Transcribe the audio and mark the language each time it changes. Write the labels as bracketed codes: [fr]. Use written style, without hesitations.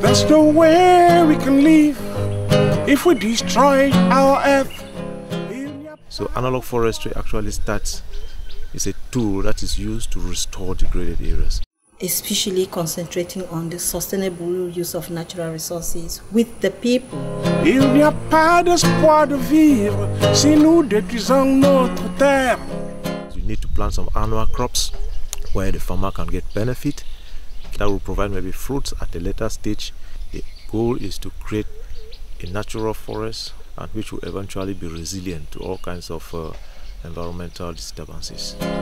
[en] There's no way we can live if we destroy our earth. So analog forestry actually starts, it's a tool that is used to restore degraded areas. Especially concentrating on the sustainable use of natural resources with the people. [fr] Il n'y a pas d'espoir de vivre si nous détruisons notre terre. [en] We need to plant some annual crops where the farmer can get benefit. That will provide maybe fruits at a later stage. The goal is to create a natural forest and which will eventually be resilient to all kinds of environmental disturbances.